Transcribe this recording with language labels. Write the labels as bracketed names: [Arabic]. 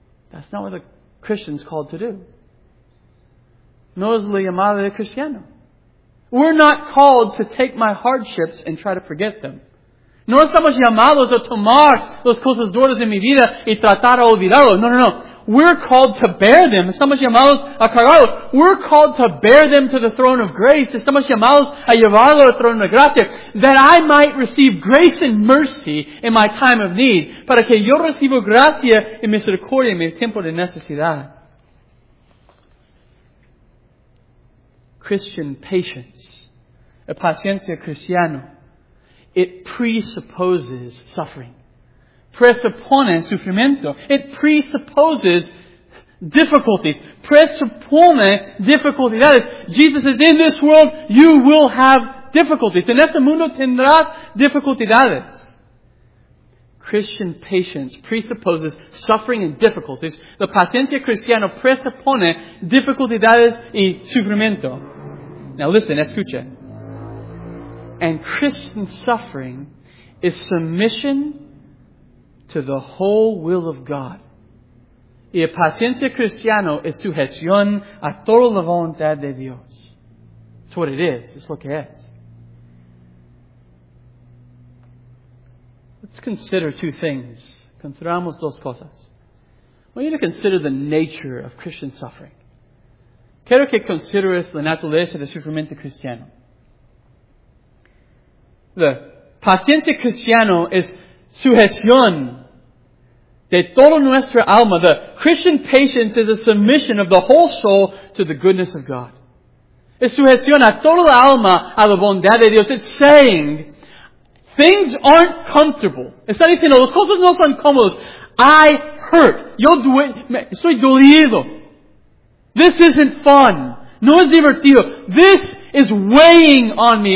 [English] That's not what the Christian's called to do. [Spanish] No es la llamada de cristiano. [English] We're not called to take my hardships and try to forget them. [Spanish] No estamos llamados a tomar las cosas duras de mi vida y tratar de olvidarlo. [English] No, no, no. We're called to bear them. [Spanish] Estamos llamados a cargarlo. [English] We're called to bear them to the throne of grace. [Spanish] Estamos llamados a llevarlo al trono de gracia. [English] That I might receive grace and mercy in my time of need. [Spanish] Para que yo reciba gracia y misericordia en mi tiempo de necesidad. [English] Christian patience. [Spanish] La paciencia cristiana. [English] It presupposes suffering. [Spanish] Presupone sufrimiento. [English] It presupposes difficulties. [Spanish] Presupone dificultades. [English] Jesus says, in this world, you will have difficulties. [Spanish] En este mundo tendrás dificultades. [English] Christian patience presupposes suffering and difficulties. [Spanish] La paciencia cristiana presupone dificultades y sufrimiento. [English] Now listen, [Spanish] escucha. [English] And Christian suffering is submission to the whole will of God. [Spanish] Y la paciencia cristiana es sujeción a toda la voluntad de Dios. [English] It's what it is. It's [Spanish] lo que es. [English] Let's consider two things. [Spanish] Consideramos dos cosas. [English] I want you to consider the nature of Christian suffering. [Spanish] Quiero que consideres la naturaleza del sufrimiento cristiano. The Paciencia cristiana es sujeción de toda nuestra alma. [English] The Christian patience is a submission of the whole soul to the goodness of God. [Spanish] Es sujeción a toda la alma a la bondad de Dios. [English] It's saying, things aren't comfortable. [Spanish] Está diciendo, las cosas no son cómodas. [English] I hurt. [Spanish] Estoy dolido. [English] This isn't fun. [Spanish] No es divertido. [English] This is weighing on me.